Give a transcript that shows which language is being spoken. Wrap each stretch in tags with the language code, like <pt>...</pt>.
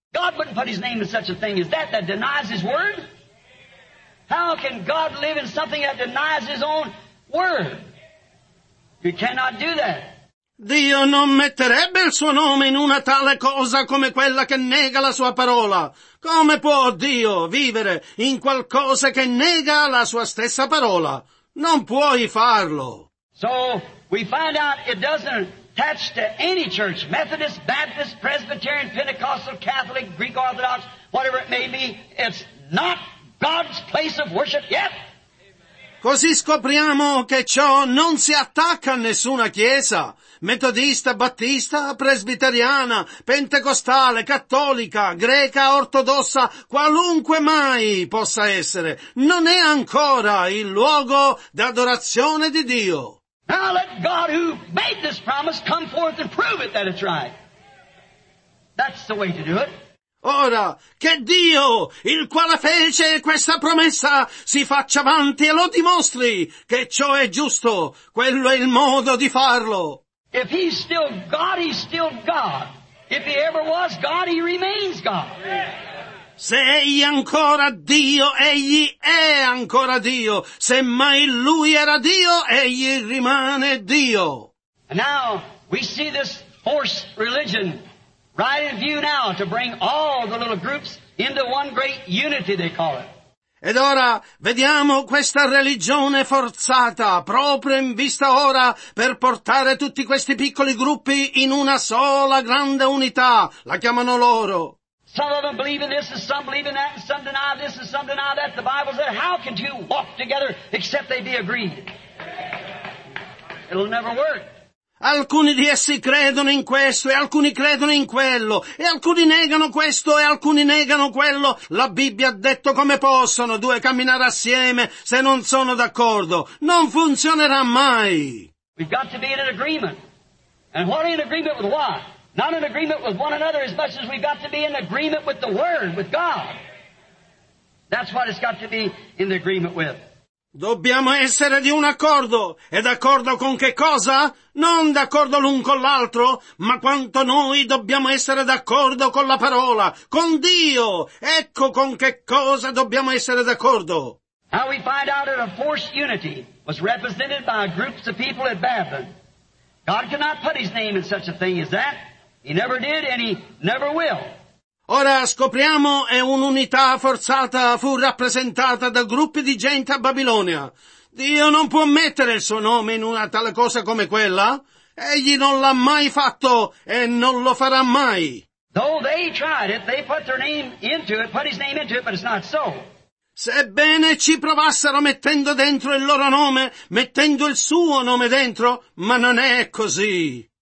<en>God wouldn't put his name in such a thing as that, that denies his word? How can God live in something that denies his own word? You cannot do that.</en> <it>Dio non metterebbe il suo nome in una tale cosa come quella che nega la sua parola. Come può Dio vivere in qualcosa che nega la sua stessa parola? Non puoi farlo.</it> <en>So we find out it doesn't attach to any church, Methodist, Baptist, Presbyterian, Pentecostal, Catholic, Greek Orthodox, whatever it may be, it's not God's place of worship yet.</en> <it>Così scopriamo che ciò non si attacca a nessuna chiesa, metodista, battista, presbiteriana, pentecostale, cattolica, greca, ortodossa, qualunque mai possa essere. Non è ancora il luogo d'adorazione di Dio.</it> <en>Now let God who made this promise come forth and prove it that it's right. That's the way to do it.</en> <it>Ora, che Dio, il quale fece questa promessa, si faccia avanti e lo dimostri che ciò è giusto, quello è il modo di farlo.</it> <en>If he's still God, he's still God. If he ever was God, he remains God.</en> <it>Se egli ancora Dio, egli è ancora Dio. Se mai lui era Dio, egli rimane Dio.</it> <en>And now, we see this forced religion right in view now to bring all the little groups into one great unity, they call it.</en> <it>Ed ora vediamo questa religione forzata proprio in vista ora per portare tutti questi piccoli gruppi in una sola grande unità, la chiamano loro.</it> <en>Some of them believe in this and some believe in that and some deny this and some deny that. The Bible said, how can two walk together except they be agreed? It'll never work.</en> <it>Alcuni di essi credono in questo e alcuni credono in quello, e alcuni negano questo e alcuni negano quello. La Bibbia ha detto come possono due camminare assieme se non sono d'accordo. Non funzionerà mai.</it> <en>We've got to be in an agreement. And what in agreement with what? Not in agreement with one another as much as we've got to be in agreement with the Word, with God. That's what it's got to be in the agreement with.</en> <it>Dobbiamo essere di un accordo. E d'accordo con che cosa? Non d'accordo l'un con l'altro, ma quanto noi dobbiamo essere d'accordo con la parola, con Dio. Ecco con che cosa dobbiamo essere d'accordo.</it> <en>How we find out that a forced unity was represented by groups of people at Babylon. God cannot put his name in such a thing as that. He never did and he never will.</en> <it>Ora scopriamo e un'unità forzata fu rappresentata da gruppi di gente a Babilonia. Dio non può mettere il suo nome in una tale cosa come quella. Egli non l'ha mai fatto e non lo farà mai.</it> <en>Though they tried it, they put their name into it, put his name into it, but it's not so.</en> <it>Sebbene ci provassero mettendo dentro il loro nome, mettendo il suo nome dentro, ma non è così.</it>